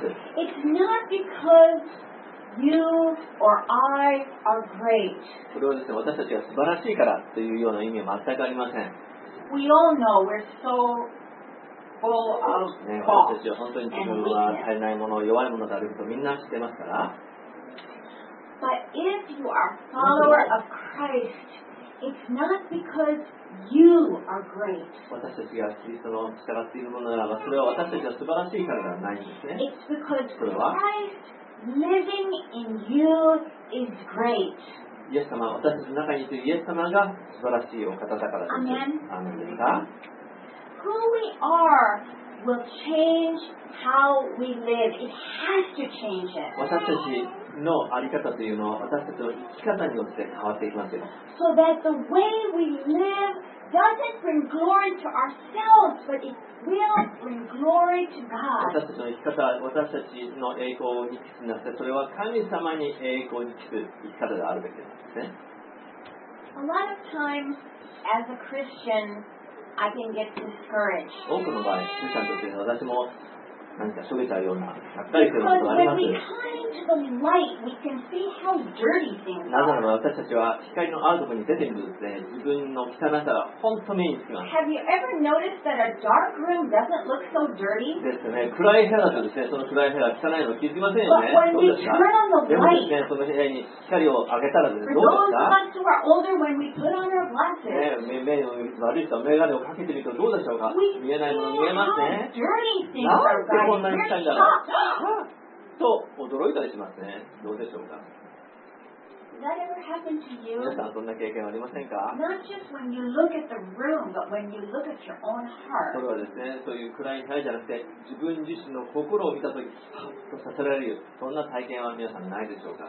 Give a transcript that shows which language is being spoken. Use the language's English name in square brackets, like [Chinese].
[Japanese] それはですね、私たちが素晴らしいからというような意味は全くありません。 [English] We all know we're so full of faults. [Japanese] 私たちは本当に自分は足りないもの、弱いものであることをみんな知ってますから。 [English] But if you are a follower of Christ, It's not because you are great. [Japanese] 私たちがキリストの力っていうものならば、それは私たちが素晴らしいからではないんですね。 [English] It's because Christ living in you is great. [Japanese] イエス様、私たちの中にいるイエス様が素晴らしいお方だからです。 [English] Amen. [Japanese] アーメンですか? [English] Who we are will change how we live. It has to change it. [Japanese] 私たちの在り方というのは私たちの生き方によって変わっていきますよ。 [English] So that the way we live doesn't bring glory to ourselves, but it will bring glory to God. [Japanese] 私たちの生き方は私たちの栄光に帰すなって、それは神様に栄光に帰す生き方であるべきなんですね。 [English] A lot of times, as a Christian, I can get discouraged. [Japanese] 多くの場合、クリスチャンとしての私も何か処理したような百回することがあります。なぜなら私たちは光のあるところに出てみるとですね、自分の汚さが本当に目につきます。 [English] Have you ever noticed that a dark room doesn't look so dirty? [Japanese] ですね、暗い部屋だとですね、その暗い部屋は汚いの気づきませんよね。 [English] But when we turn on the light, [Japanese] でもですね、その部屋に光を上げたらですね、どうですか？ [English] For those of us who are older, when we put on our glasses, [Japanese] 目の悪い人は眼鏡をかけてみるとどうでしょうか？見えないもの見えますね。こんなに汚いんだろう。と驚いたりしますね。どうでしょうか。皆さんそんな経験ありませんか。それはですね、そういう暗い部屋じゃなくて自分自身の心を見たときハッとさせられる、そんな体験は皆さんないでしょうか。